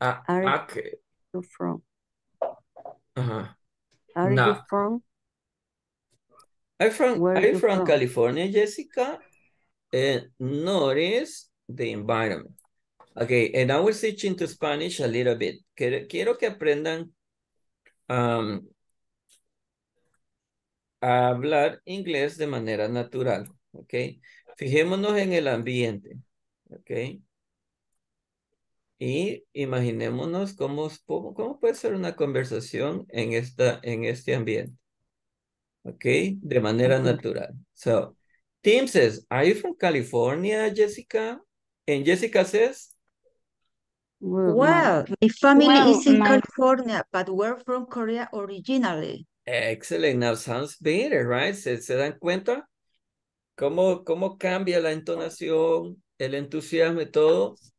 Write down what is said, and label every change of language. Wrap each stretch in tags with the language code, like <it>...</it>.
<en>Okay. You from? Uh-huh. Are you from? Are you from California, Jessica? And notice the environment. Okay, and I will switch into Spanish a little bit.</en> <es>Quiero que aprendan a hablar inglés de manera natural, okay? Fijémonos en el ambiente, okay? Y imaginémonos cómo puede ser una conversación en este ambiente, okay? De manera natural.</es> <en>So, Tim says, are you from California, Jessica? And Jessica says, Well, my family is in California, but we're from Korea originally. Excellent. Now sounds better, right?</en> <es>¿Se dan cuenta? ¿Cómo cambia la entonación, el entusiasmo y todo?</es>